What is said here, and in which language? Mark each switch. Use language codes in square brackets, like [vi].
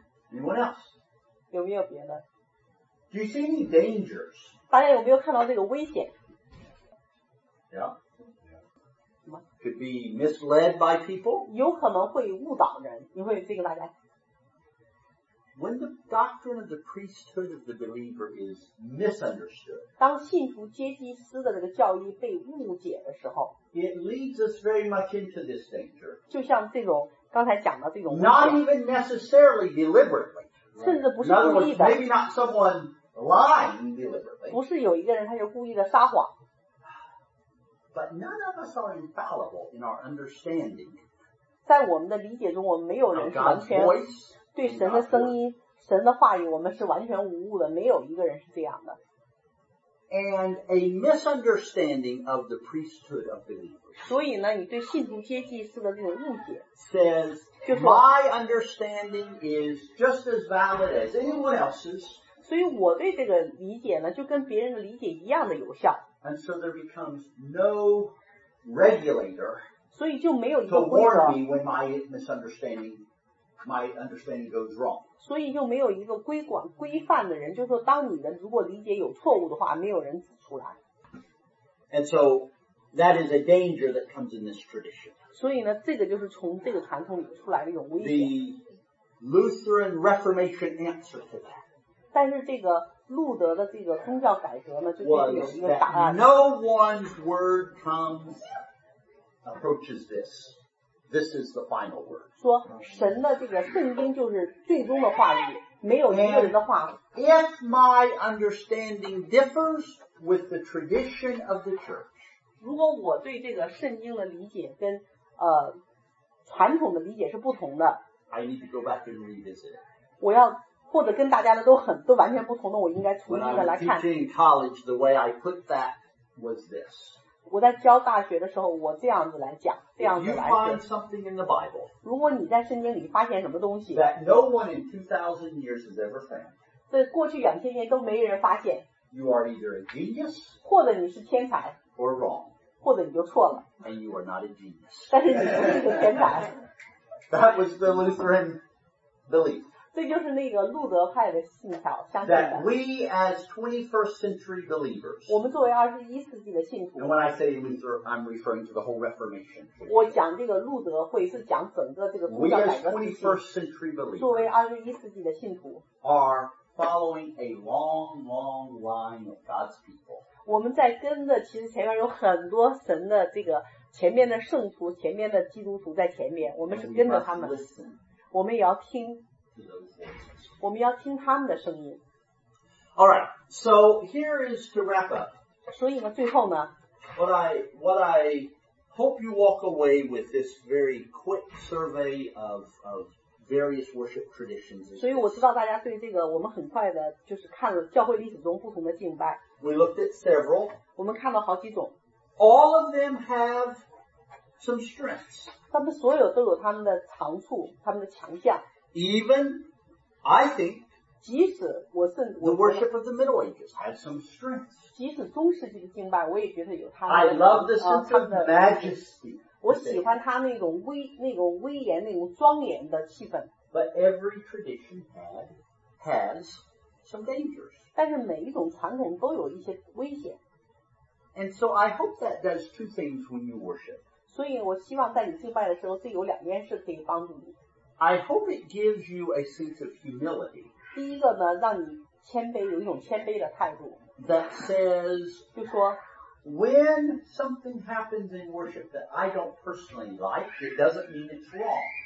[en] Anyone else? [zh] 有没有别的？ [en] Do you see any dangers? [zh] 大家有没有看到这个危险？ [en] Yeah. Could be misled by people? [zh] 有可能会误导人，你会这个大家。 [en] When the doctrine of the priesthood of the believer is misunderstood, [zh] 当信徒阶级师的这个教义被误解的时候， [en] it leads us very much into this danger. [zh] 就像这种刚才讲的这种 [en] not even necessarily deliberately, [zh] 甚至不是故意的， [en] maybe not someone lying deliberately. [zh] 不是有一个人他就故意的撒谎。 [en] But none of us are infallible in our understanding. [zh] 在我们的理解中，我们没有人是完全。对神的声音，神的话语，我们是完全无误的，没有一个人是这样的。 [en] And a misunderstanding of the priesthood of believers. [zh] 所以呢，你对信徒阶级式的这种误解 [en] ，says my understanding is just as valid as anyone else's. [zh] 所以我对这个理解呢，就跟别人的理解一样的有效。 [en] And so there becomes no regulator. [zh] 所以就没有一个规则。 [en] To warn me when my misunderstanding. My understanding goes wrong. [zh] 所以就没有一个规管规范的人，就是说，当你的如果理解有错误的话，没有人指出来。 [en] And so that is a danger that comes in this tradition. [zh] 所以呢，这个就是从这个传统里出来的一种危险。 [en] The Lutheran Reformation answer to that. [zh] 但是这个路德的这个宗教改革呢，就是有一个答案。 [en] No one's word comes approaches this. This is the final word. [zh] 说神的这个圣经就是最终的话语，没有一个人的话。 [en] If my understanding differs with the tradition of the church, [zh] 如果我对这个圣经的理解跟传统的理解是不同的 [en] ，I need to go back and revisit it. [zh] 我要或者跟大家的都完全不同的，我应该重新的来看。 [en] When I was teaching college, the way I put that was this. [zh] 我在教大学的时候，我这样子来讲，这样子来讲。 [en] You find something in the Bible, [zh] 如果你在圣经里发现什么东西 [en] ，that no one in 2,000 years has ever found, [zh] 这过去两千年都没人发现。 [en] You are either a genius, [zh] 或者你是天才 [en] ，or wrong, [zh] 或者你就错了。 [en] And you are not a genius, [zh] 但是你不是一个天才。 [en] That was the Lutheran belief. [zh] 这就是那个路德派的信条，相信的。 [en] That we as 21st century believers, [zh] 我们作为二十一世纪的信徒。 [en] And when I say Luther, I'm referring to the whole Reformation. [zh] 我讲这个路德会是讲整个这个宗教改革体系。 [en] We as 21st century believers, [zh] 作为二十一世纪的信徒。 [en] Are following a long, long line of God's people. [zh] 我们在跟着，其实前面有很多神的这个前面的圣徒，前面的基督徒在前面，我们是跟着他们。我们也要听。我们要听他们的声音。 [en] All right, so here is to wrap up. [zh] 所以呢，最后呢 [en] ，What I hope you walk away with this very quick survey of various worship traditions. [zh] 所以我知道大家对这个，我们很快的就是看了教会历史中不同的敬拜。 [en] We looked at several. [zh] 我们看了好几种。 [en] All of them have some strengths. [zh] 他们所有都有他们的长处，他们的强项。 [en] Even, I think, [zh] 即使我是 [en] the worship of the Middle Ages had some strengths. [zh] 即使中世纪的敬拜，我也觉得有它。 [en] I love the sense of majesty. [zh] 我喜欢它那种威、那个威严、那种庄严的气氛。 [en] But every tradition has some dangers. [zh] 但是每一种传统都有一些危险。 [en] And so I hope that does two things when you worship. [zh] 所以我希望在你敬拜的时候，这有两件事可以帮助你。 [en] I hope it gives you a sense of humility. [zh] 第一个呢，让你谦卑，有一种谦卑的态度。 [en] That says, [zh] 就说 [en] when something happens in worship that I don't personally like, it doesn't mean it's wrong.